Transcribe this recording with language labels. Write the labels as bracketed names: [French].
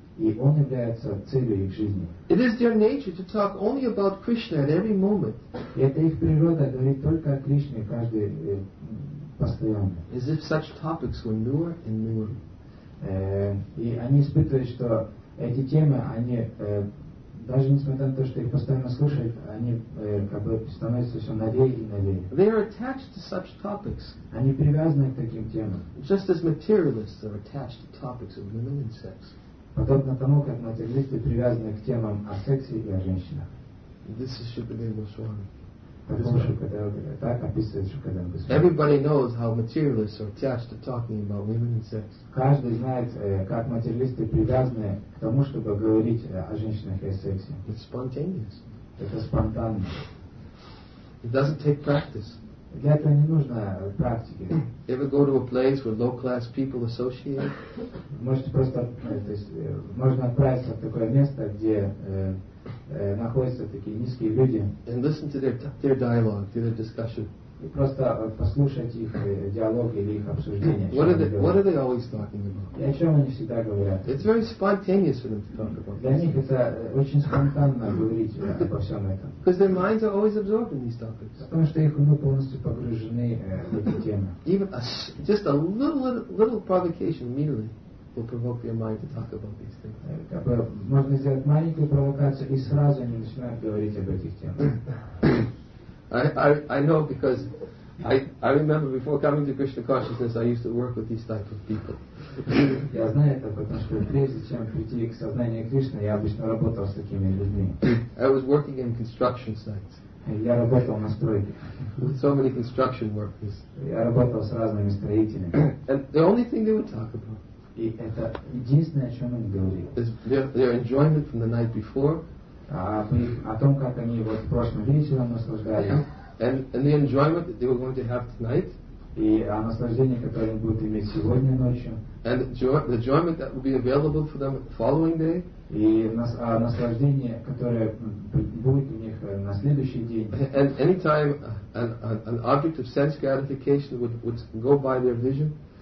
[Russian] И Он является целью их жизни. [English] It is their nature to talk only about Krishna at every moment. [Russian] И это их природа говорить только о Кришне каждый постоянно. [English] As if such topics were newer and newer. [Russian] И они испытывают, что эти темы, они даже несмотря на то, что их постоянно слушают, они как бы становятся все новее и новее. [English] They are attached to such topics. [Russian] Они привязаны к таким темам. [English] Just as materialists are attached to topics of women and sex. [Russian] Подобно тому, как материалисты привязаны к темам о сексе и о женщинах. [English] This is Shukadeva Goswami. [Russian] Так описывает Шукадева Госвами. [English] Everybody knows how materialists are attached to talking about women and sex. [Russian] Каждый знает, как материалисты привязаны к тому, чтобы говорить о женщинах и о сексе. [English] It's spontaneous. [Russian] Это спонтанно. [English] It doesn't take practice. [Russian] Для этого не нужно практики. [English] Ever go to a place where low-class people associate? [Russian] Можете просто, то есть, можно отправиться в такое место, где находятся такие низкие люди. [English] And listen to their dialogue, to their discussion. [Russian] И просто послушать их диалог или их обсуждение. [English] What are they always talking about? [Russian] И о чем они всегда говорят? [English] It's very spontaneous for them to talk about. [Russian] Для них это очень спонтанно говорить обо всем этом. [English] Because their minds are always absorbed in these topics. [Russian] Потому что их умы полностью погружены в эти темы. [English] Even just a little provocation immediately will provoke their mind to talk about these things. [Russian] Как бы можно сделать маленькую провокацию, и сразу они начинают говорить об этих темах. [English] I know because I remember before coming to Krishna consciousness I used to work with these type of people. [Russian] Я знаю это, потому что прежде чем прийти к сознанию Кришны, я обычно работал с такими людьми. [English] I was working in construction sites. [Russian] Я работал на стройке. [English] With so many construction workers. [Russian] Я работал с разными строителями. [English] And the only thing they would talk about. [Russian] И это единственное, о чем они говорили. [English] Is their enjoyment from the night before. [Russian] О том, как они вот в прошлом вечером наслаждались. [English] And they were going to have tonight. [Russian] И о наслаждении, которое они будут иметь сегодня ночью. [English] And the enjoyment that will be available for them the following day. [Russian] И о наслаждении, которое будет у них на следующий день. [English] And any time an object of sense gratification would go by their vision.